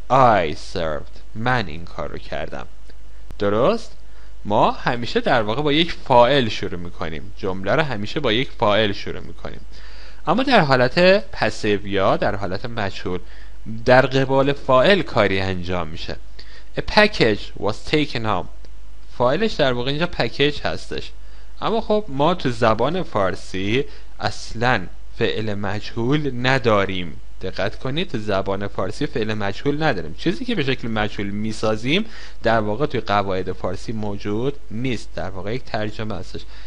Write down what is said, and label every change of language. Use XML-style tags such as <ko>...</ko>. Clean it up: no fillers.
<en>I served،</en> <fa>من این کار رو کردم، درست؟ ما همیشه در واقع با یک فاعل شروع میکنیم، جمله رو همیشه با یک فاعل شروع میکنیم. اما در حالت پسیو یا در حالت مجهول در قبال فاعل کاری انجام میشه.</fa> <en>A package was taken home.</en> <fa>فاعلش در واقع اینجا پکیج هستش. اما خب ما تو زبان فارسی اصلا فعل مجهول نداریم. دقت کنید، تو زبان فارسی فعل مجهول نداریم. چیزی که به شکل مجهول میسازیم در واقع توی قواعد فارسی موجود نیست، در واقع یک ترجمه هستش.</fa>